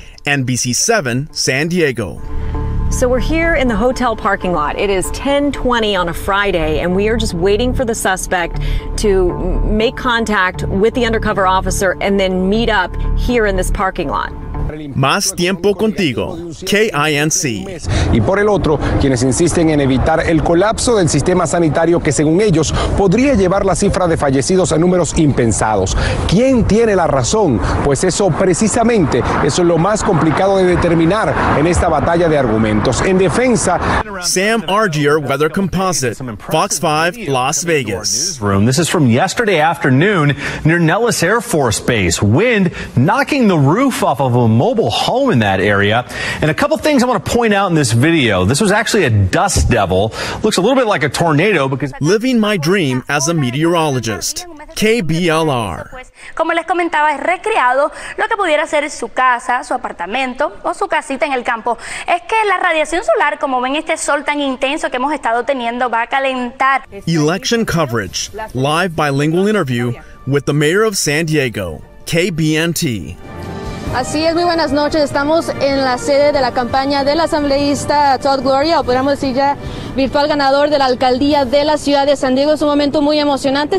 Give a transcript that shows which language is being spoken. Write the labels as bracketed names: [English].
[English] NBC 7, San Diego. So we're here in the hotel parking lot. It is 10:20 on a Friday, and we are just waiting for the suspect to make contact with the undercover officer and then meet up here in this parking lot. [Spanish] Más tiempo contigo, KINC. Y por el otro, quienes insisten en evitar el colapso del sistema sanitario que, según ellos, podría llevar la cifra de fallecidos a números impensados. ¿Quién tiene la razón? Pues eso precisamente es lo más complicado de determinar en esta batalla de argumentos. En defensa, [English] Sam Argier, Weather Composite, Fox 5, Las Vegas. This is from yesterday afternoon near Nellis Air Force Base. Wind knocking the roof off of a mobile home in that area. And a couple things I want to point out in this video. This was actually a dust devil. Looks a little bit like a tornado because Living My Dream as a Meteorologist, KBLR. [Spanish] Como les comentaba, es recreado lo que pudiera ser su casa, su apartamento o su casita en el campo. Es que la radiación solar, como ven, este sol tan intenso que hemos estado teniendo, va a calentar. [English] Election Coverage, live bilingual interview with the Mayor of San Diego, KBNT. [Spanish] Así es, muy buenas noches. Estamos en la sede de la campaña del asambleísta Todd Gloria, o podríamos decir ya virtual ganador de la alcaldía de la ciudad de San Diego. Es un momento muy emocionante.